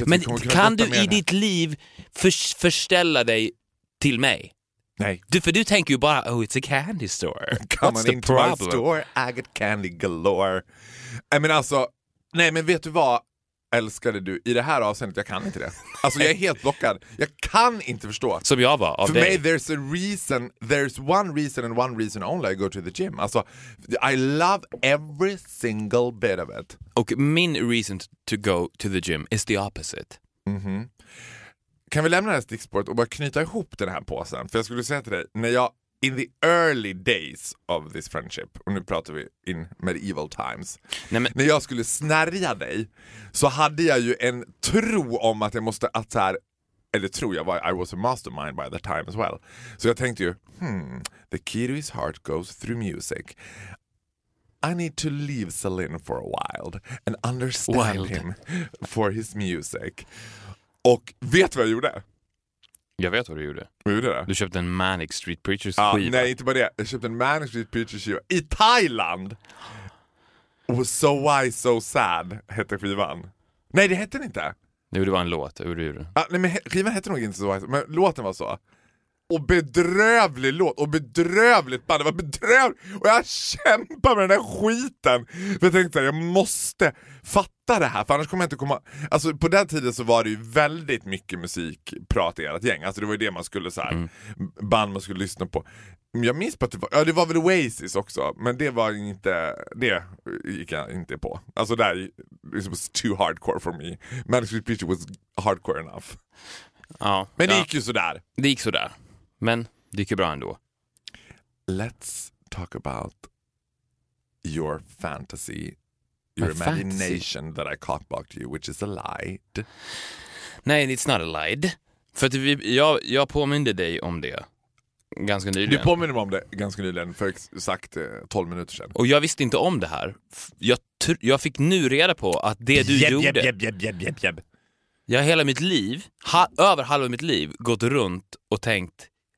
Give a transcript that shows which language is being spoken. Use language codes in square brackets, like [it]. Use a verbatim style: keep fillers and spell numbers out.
[sv] Men kan du i ditt liv för, förställa dig till mig? Nej. Du, för du tänker ju bara, [en] oh, it's a candy store. Come What's the problem? Store, I get candy galore. I mean, [sv] alltså, nej, men vet du vad, älskade du, i det här avseendet, jag kan inte det. Alltså, jag är helt blockad. Jag kan inte förstå. Som jag var, av för dig. [en] Mig, there's a reason, there's one reason and one reason only I go to the gym. Alltså, I love every single bit of it. [sv] Och min [en] reason to go to the gym is the opposite. Mhm. [sv] Kan vi lämna det här stickspåret och bara knyta ihop den här påsen? För jag skulle säga till dig, när jag, [en] in the early days of this friendship, [sv] och nu pratar vi [en] in medieval times. [sv] Nej, men... När jag skulle snärja dig så hade jag ju en tro om att jag måste, att så här, eller tror jag var, [en] I was a mastermind by that time as well. [sv] Så jag tänkte ju, [en] hmm, the key to his heart goes through music. I need to leave Celine for a while and understand wild. Him for his music. [sv] Och vet vad jag gjorde? Jag vet vad du gjorde. Vad gjorde det? Du köpte en Manic Street Preachers ja, skiva. Nej, inte bara det. Jag köpte en Manic Street Preachers skiva i Thailand. Och So Why So Sad hette skivan. Nej, det hette den inte. Jo, det var en låt. Hur gjorde du? Ah, nej, men skivan hette nog inte så. Men låten var så. Och bedrövlig låt. Och bedrövligt band. Det var bedrövligt. Och jag kämpade med den där skiten. För jag tänkte att jag måste fatta det här. För annars kommer jag inte komma... Alltså på den tiden så var det ju väldigt mycket musikprat i ert gäng. Alltså det var ju det man skulle så här... Mm. Band man skulle lyssna på. Jag minns på att det var... Ja, det var väl Oasis också. Men det var inte... Det gick jag inte på. Alltså där... [en] It was too hardcore for me. Manic Street Preachers was hardcore enough. [sv] Ja. Men det ja. gick ju sådär. Det gick sådär. Men det gick ju bra ändå. [en] Let's talk about your fantasy, your My imagination fantasy. That I cockblocked you, which is a lie. Nej, it's not a lie. [sv] För att vi, jag, jag påminner dig om det ganska nyligen. Du påminner mig om det ganska nyligen, för exakt eh, tolv minuter sedan. Och jag visste inte om det här. Jag, tr- jag fick nu reda på att det du jeb, gjorde... Jeb, jeb, jeb, jeb, jeb, jeb. Jag har hela mitt liv, ha, över halva mitt liv, gått runt och tänkt...